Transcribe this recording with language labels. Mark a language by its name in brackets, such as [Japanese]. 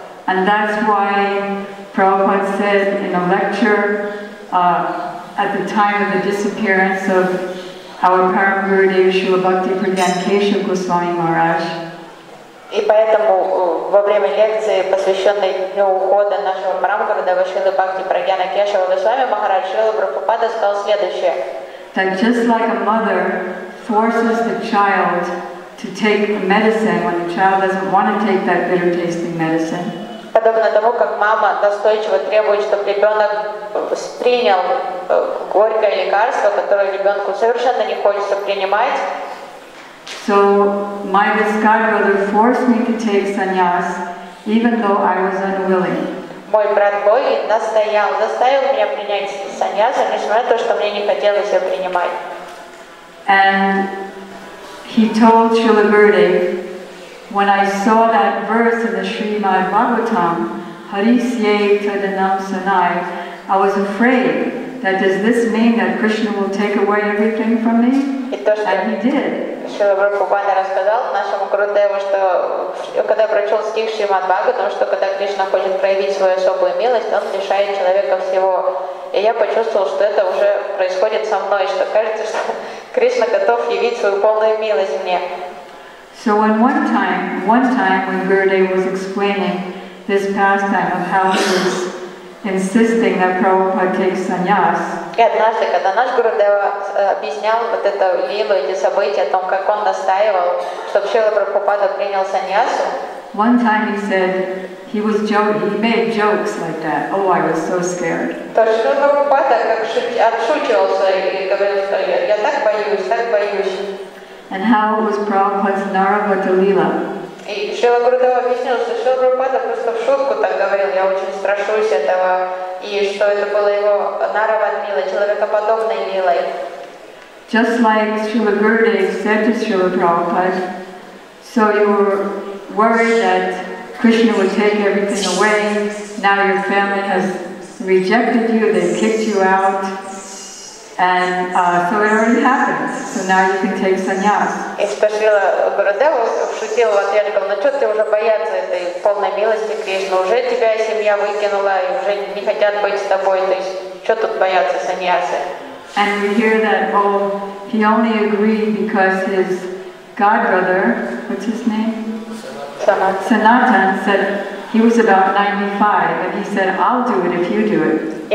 [English] And that's why Prabhupada said in a lecture at the time of the disappearance of our Param Gurudev Srila Bhakti Pradhan Kesava Goswami Maharaj. [Russian] И поэтому во время лекции, посвященной дню ухода нашего Парам Гурудева Шрилы Бхакти Прагьяна Кешава Госвами Махарадж, Шрила Прабхупада сказал следующее. [English] That just like a mother forces the child to take the medicine when the child doesn't want to take that bitter tasting medicine. [Russian] Подобно тому, как мама настойчиво требует, чтобы ребенок принял горькое лекарство, которое ребенку совершенно не хочется принимать. [English] So my Viscard brother forced me to take sannyas, even though I was unwilling. [Russian] Мой брат Бой настоял, заставил меня принять саньясу, несмотря на то, что мне не хотелось ее принимать. [English] And he told Srila Gurudev, when I saw that verse in the Srimad Bhagavatam, Harisye Tadanam Sanai, I was afraid that does this mean that Krishna will take away everything from me? And he did. [Russian] Шрила Прабхупада рассказал нашему Гурудеву, что когда я прочел стих Шримад Бхагаватам, что когда Кришна хочет проявить свою особую милость, он лишает человека всего. И я почувствовал, что это уже происходит со мной, что кажется, что Кришна готов явить свою полную милость мне. [English] So when one time when Gurudev was explaining this pastime of how he was insisting that Prabhupada take sannyas. [Russian] И однажды, когда наш Гурудева объяснял вот это лилу, эти события, о том, как он настаивал, чтобы Шрила Прабхупада принял саньясу. [English] One time he said he was joking, he made jokes like that. Oh, I was so scared. [Russian] То Шрила Прабхупада как отшучивался и говорил, что я так боюсь, так боюсь. [English] And how was Prabhupada's Naravata lila? [Russian] И Шрила Гурудева объяснил, что Шрила Прабхупада просто в шутку так говорил, я очень страшусь этого. И что это было его Наравад Лила, человекоподобной лилой. [English] Just like Srila Gurudev said to Srila Prabhupada, so you were worried that Krishna would take everything away, now your family has rejected you, they kicked you out, and so it already happened, so now you can take sannyas. [Russian] И что Шрила Гурудева шутил в ответ, говорил, ну что ты уже бояться этой полной милости Кришны, уже тебя семья выкинула, и уже не хотят быть с тобой, то есть что тут бояться саньясы? [English] And we hear that, oh, he only agreed because his godbrother, what's his name? Sanatan said he was about 95, and he said, "I'll do it if you do it."